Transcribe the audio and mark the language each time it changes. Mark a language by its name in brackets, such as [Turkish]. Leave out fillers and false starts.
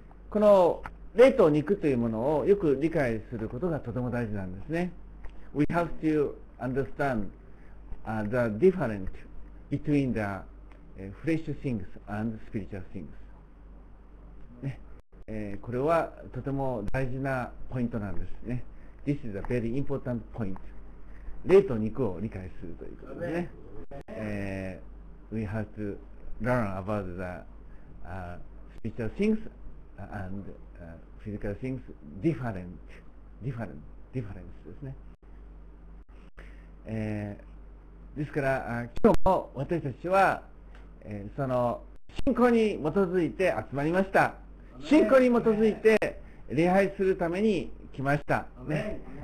[Japanese] この霊と肉というものをよく理解することがとても大事なんですね。 [English] We have to understand the difference between the fresh things and spiritual things、ね。 [Japanese] これはとても大事なポイントなんですね。 [English] This is a very important point。 [Japanese] 霊と肉を理解するということですね。 [English] We have to learn about the spiritual things and physical things difference [Japanese] ですね。ですから今日も私たちは、その信仰に基づいて集まりました。信仰に基づいて礼拝するために来ました、ね。